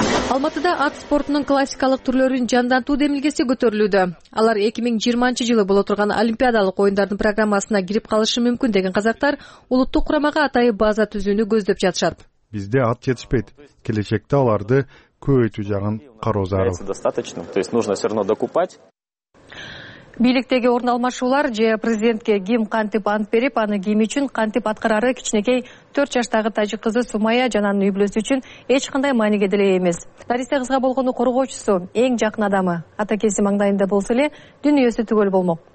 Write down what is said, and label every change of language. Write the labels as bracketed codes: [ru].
[ky] Алматыда ат спортунун классикалык түрлөрүн жандантуу демилгеси көтөрүлүүдө. Алар 2020 жылы боло турган олимпиадалык оюндардын программасына кирип калышы мүмкүн деген казактар улуттук курамага атайын база түзүүнү көздөп жатышат. Бизде ат жетишпейт. Келечекте аларды көбөйтүү жагын кароо зарыл. [ru] Достаточно, то есть нужно всё равно докупать. [ky] Бийликтеги орун алмашуулар же президентке ким кантип ант берип, аны ким үчүн кантип аткарары кичинекей 4 жаштагы тажик кызы Сумая жананын үйбүлөсү үчүн эч кандай мааниге деле эмес. Нариса кызга болгону коргоочусу, эң жакын адамы, атакеси маңдайында болсо эле дүйнөсү түгөл болмок.